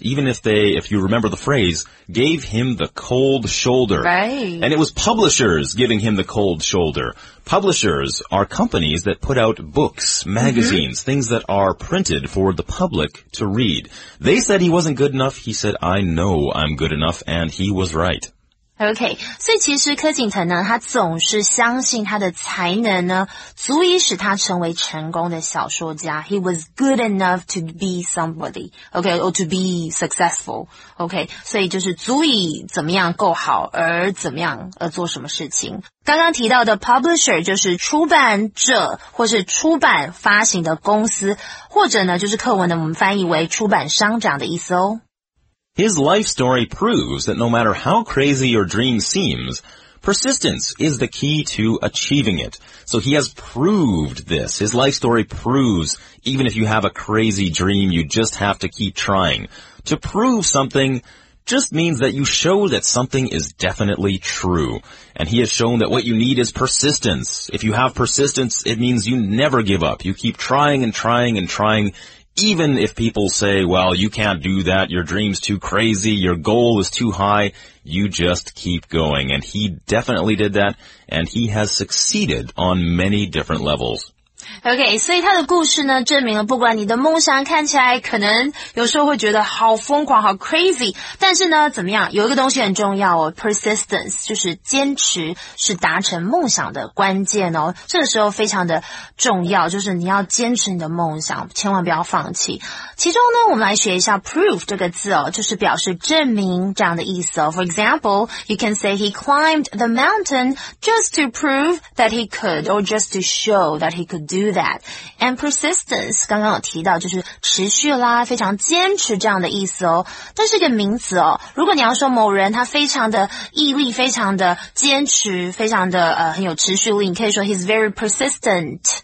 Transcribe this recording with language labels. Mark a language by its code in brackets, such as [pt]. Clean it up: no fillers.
[en] Even if they, if you remember the phrase, gave him the cold shoulder. Right. And it was publishers giving him the cold shoulder. Publishers are companies that put out books, magazines, mm-hmm. things that are printed for the public to read. They said he wasn't good enough. He said, I know I'm good enough. And he was right. [zh] OK, 所以其实柯景腾呢他总是相信他的才能呢足以使他成为成功的小说家。 [en] He was good enough to be somebody, OK, or to be successful, OK, [zh] 所以就是足以怎么样够好而怎么样而做什么事情。刚刚提到的 publisher 就是出版者或是出版发行的公司或者呢就是课文的我们翻译为出版商长的意思哦。 [en] His life story proves that no matter how crazy your dream seems, persistence is the key to achieving it. So he has proved this. His life story proves even if you have a crazy dream, you just have to keep trying. To prove something just means that you show that something is definitely true. And he has shown that what you need is persistence. If you have persistence, it means you never give up. You keep trying and trying and trying. Even if people say, well, you can't do that, your dream's too crazy, your goal is too high, you just keep going. And he definitely did that, and he has succeeded on many different levels. [zh] OK, 所以他的故事呢证明了不管你的梦想看起来可能有时候会觉得好疯狂好 crazy, 但是呢怎么样有一个东西很重要哦 persistence, 就是坚持是达成梦想的关键哦这个时候非常的重要就是你要坚持你的梦想千万不要放弃。其中呢我们来学一下 prove 这个字哦就是表示证明这样的意思哦。 [en] For example, you can say he climbed the mountain just to prove that he could or just to show that he could do that. [zh] And persistence, 刚刚有提到就是持续啦非常坚持这样的意思哦。这是一个名词哦。如果你要说某人他非常的毅力非常的坚持非常的很有持续力你可以说 [en] he's very persistent.